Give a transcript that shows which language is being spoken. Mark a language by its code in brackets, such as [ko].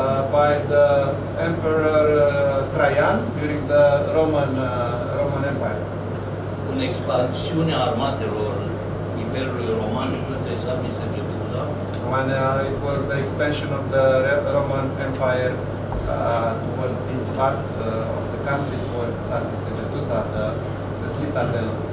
[en] by the Emperor Traian during the Roman Empire. [ro] Un expansiune armatelor Imperiului Roman către Sabia și Germania. [en] When it was the expansion of the Roman Empire towards this part of the country, towards Sardis and Sardinia, the citadel.